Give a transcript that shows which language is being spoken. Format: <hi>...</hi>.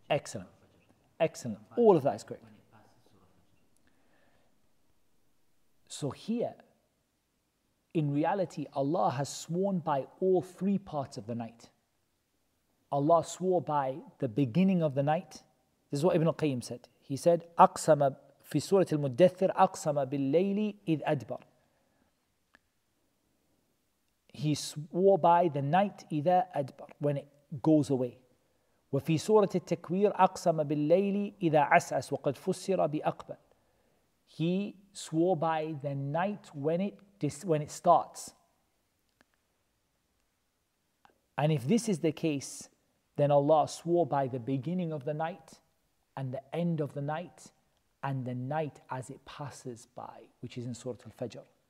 <en>Excellent. Excellent. All of that is great. So here, in reality, Allah has sworn by all three parts of the night. Allah swore by the beginning of the night. This is what Ibn al-Qayyim said. He said, Aqsama.</en> <ar>في سورة المدثر أقسم بالليل إذ أدبر.</ar> <en>He swore by the night</en> <ar>إذا أدبر,</ar> <en>when it goes away.</en> <ar>وفي سورة التكوير أقسم بالليل إذا عسعس وقد فسر بأقبل.</ar> <en>He swore by the night when it starts. And if this is the case, then Allah swore by the beginning of the night and the end of the night and the night as it passes by, which is in Surah Al-Fajr.</en>